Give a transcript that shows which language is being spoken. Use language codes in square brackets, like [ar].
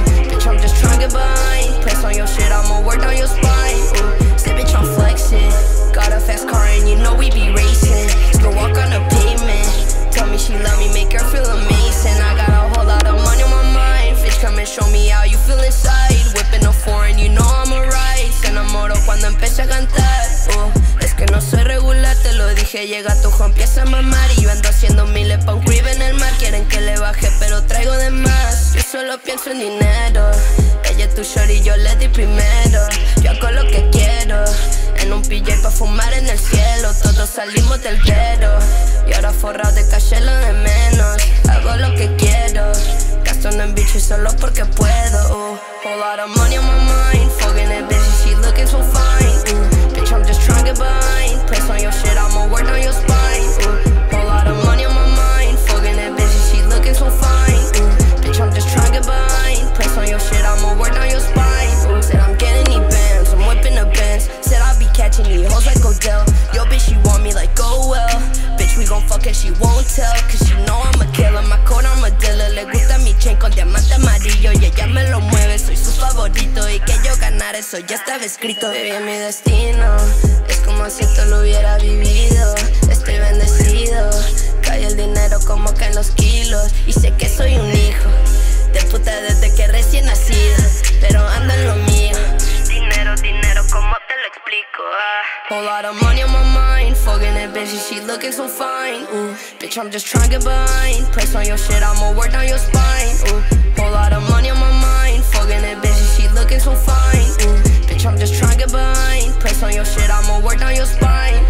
[en] Bitch, I'm just trying to get by. Press on your shit, I'ma work down your spine. Say, bitch, I'm flexing. Got a fast car and you know we be racing. Go walk on the pavement. Tell me she love me, make her feel amazing. I got a whole lot of money on my mind. Bitch, come and show me how you feel inside. Whipping a foreign, you know I'm alright. [es] Se enamoro cuando empecé a cantar. Es que no soy regular, te lo dije. Llega tu hijo, empieza a mamar. Y yo ando haciendo miles pa' un crib en el mar. Quieren que le baje, pero traigo de más. Yo solo pienso en dinero. Ella es tu shorty, yo le di primero. Yo hago lo que quiero. En un PJ pa' fumar en el cielo. Todos salimos del ghetto. Y ahora forrado de caché lo de menos. Hago lo que quiero. Gastando en bitches solo porque puedo. [en] Whole lot of money on my mind. Fucking that bitch, she looking so fine. Bitch, I'm just trying to get by. Press on your shit, I'ma work on your spine. Whole lot of money on my mind. Fucking that bitch, she looking so fine. Bitch, I'm just trying to get by. Press on your shit, I'ma work on your spine. Said I'm getting these bands, I'm whipping the bands. Said I'll be catching these hoes like Odell. Yo, bitch, she want me like go well. Bitch, we gon' fuck and she won't tell. Cause she know I'm a killer, my coat, I'm a dealer. [es] Le gusta mi chain con diamante amarillo. Y ella me lo mueve, soy su favorito. Y que yo ganar eso ya estaba escrito. Baby, mi destino es como si esto lo hubiera vivido. Estoy bendecido, cae el dinero como caen los kilos. Y sé que soy un hijo de puta desde que recién nacido. Pero ando en lo mío. Dinero, dinero, ¿cómo te lo explico? [en] Whole lot of money on my mind. Fucking that bitch, she looking so fine. Bitch, I'm just trying to get by. Press on your shit, I'ma work down your spine. Whole lot of money on my mind. Fucking that bitch, she looking so fine. Bitch, I'm just trying to get by. Press on your shit, I'ma work down your spine.